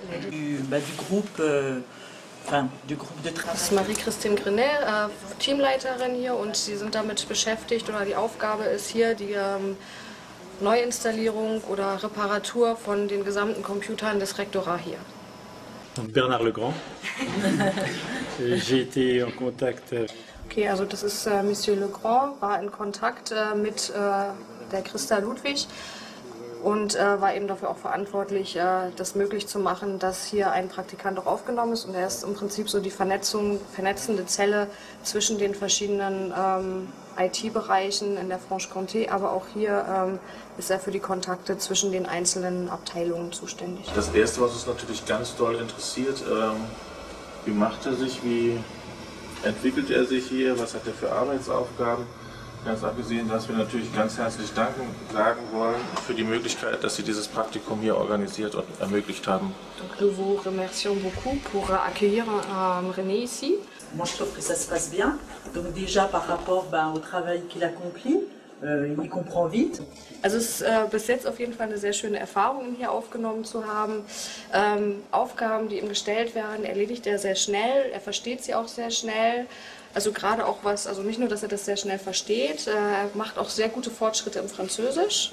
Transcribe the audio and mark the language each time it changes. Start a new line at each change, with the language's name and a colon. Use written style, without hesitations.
French: du groupe, du groupe de travail. C'est
German: Marie-Christine Grenet, Teamleiterin hier, und Sie sind damit beschäftigt, oder die Aufgabe ist hier die Neuinstallierung oder Reparatur von den gesamten Computern des Rektorats hier.
French: Bernard Legrand, j'ai été en contact.
German: Okay, also das ist Monsieur Legrand, war in Kontakt mit der Christa Ludwig und war eben dafür auch verantwortlich, das möglich zu machen, dass hier ein Praktikant auch aufgenommen ist. Und er ist im Prinzip so die vernetzende Zelle zwischen den verschiedenen IT-Bereichen in der Franche-Comté. Aber auch hier ist er für die Kontakte zwischen den einzelnen Abteilungen zuständig. Das Erste, was uns natürlich ganz doll interessiert, wie macht er sich, wie entwickelt er sich hier? Was hat er für Arbeitsaufgaben? Ganz abgesehen, dass wir natürlich ganz herzlich danken sagen wollen für die Möglichkeit, dass Sie dieses Praktikum hier organisiert und ermöglicht haben.
French: Donc, nous vous remercions beaucoup pour accueillir René ici. Moi, je trouve que ça se passe bien. Donc déjà par rapport au travail qu'il accomplit, il comprend vite.
German: Also es ist bis jetzt auf jeden Fall eine sehr schöne Erfahrung, ihn hier aufgenommen zu haben. Aufgaben, die ihm gestellt werden, erledigt er sehr schnell. Er versteht sie auch sehr schnell. Also gerade auch was, also nicht nur, dass er das sehr schnell versteht, er macht auch sehr gute Fortschritte im Französisch.